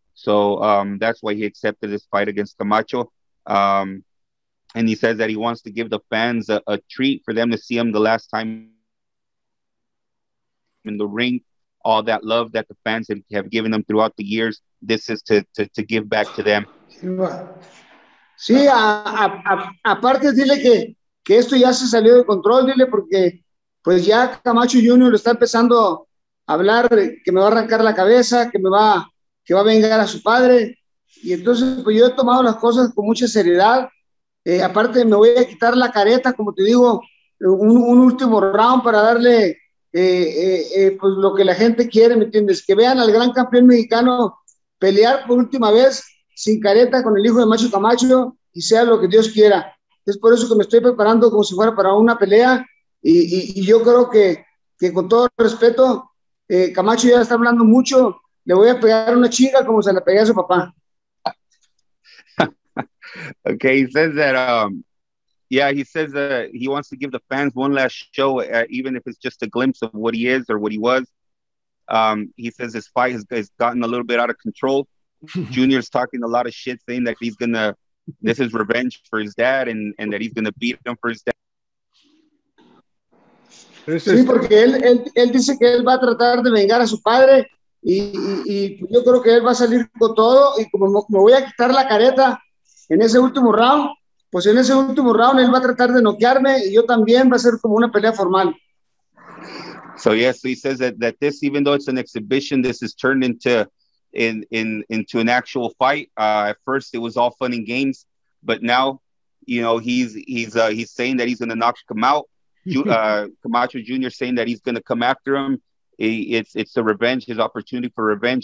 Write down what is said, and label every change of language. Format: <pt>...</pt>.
<en>So that's why he accepted this fight against Camacho. And he says that he wants to give the fans a treat for them to see him the last time in the ring. All that love that the fans have given him throughout the years, this is to give back to them.</en> <es>Sí, aparte dile que esto ya se salió de control, dile, porque pues ya Camacho Jr. está empezando a hablar que me va a arrancar la cabeza, que va a vengar a su padre, y entonces pues yo he tomado las cosas con mucha seriedad. Aparte me voy a quitar la careta, como te digo, un último round para darle pues lo que la gente quiere, ¿me entiendes? Que vean al gran campeón mexicano pelear por última vez sin careta con el hijo de Macho Camacho, y sea lo que Dios quiera. Es por eso que me estoy preparando como si fuera para una pelea, y yo creo que con todo respeto, Camacho ya está hablando mucho, le voy a pegar una chinga como se la pegué a su papá.</es> <en>Okay, he says that, he says that he wants to give the fans one last show, even if it's just a glimpse of what he is or what he was. He says his fight has gotten a little bit out of control. Junior's talking a lot of shit, saying that this is revenge for his dad, and that he's gonna beat him for his dad.</en> <es>Sí, porque él dice que él va a tratar de vengar a su padre, y yo creo que él va a salir con todo, y como me voy a quitar la careta en ese último round, pues en ese último round él va a tratar de noquearme, y yo también, va a ser como una pelea formal.</es> <en>So yeah, so he says that this, even though it's an exhibition, this has turned into into an actual fight. At first it was all fun and games, but now, you know, he's saying that he's gonna knock him out. Camacho Jr. saying that he's gonna come after him. It's a revenge, his opportunity for revenge.</en>